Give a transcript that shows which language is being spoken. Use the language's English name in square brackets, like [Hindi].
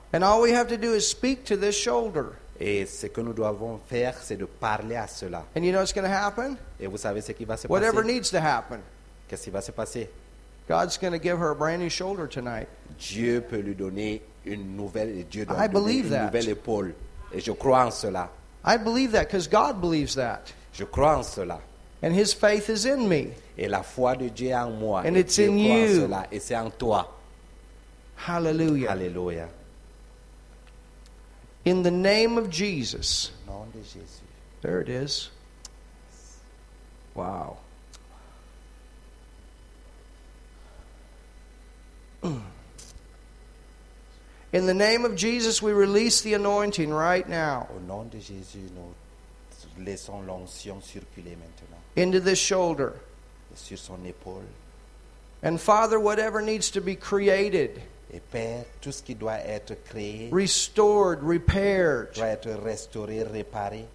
[English] And all we have to do is speak to this shoulder. [French] Et ce que nous devons faire, c'est de parler à cela. [English] And you know what's going to happen? [French] Et vous savez ce qui va se [English] Whatever [French] passer? [English] Needs to happen. [French] Qu'est-ce qui va se passer? [English] God's going to give her a brand new shoulder tonight. [French] Dieu peut lui donner une nouvelle. Dieu doit lui donner une nouvelle épaule. Et je crois en cela. [English] I believe that because God believes that. [French] Je crois en cela. [English] And His faith is in me. [French] Et la foi de Dieu est en moi. [English] And it's in you. [French] Je crois en cela. Et c'est en toi. [English] Hallelujah. Hallelujah. In the name of Jesus. [French] Nom de Jésus. [English] There it is. Wow. In the name of Jesus, we release the anointing right now. [French] Au nom de Jésus, nous laissons l'onction circuler maintenant. [English] Into this shoulder. [French] Et sur son épaule. [English] And Father, whatever needs to be created. [French] Et Père, tout ce qui doit être créé. [English] Restored, repaired. [French] Doit être restauré, réparé.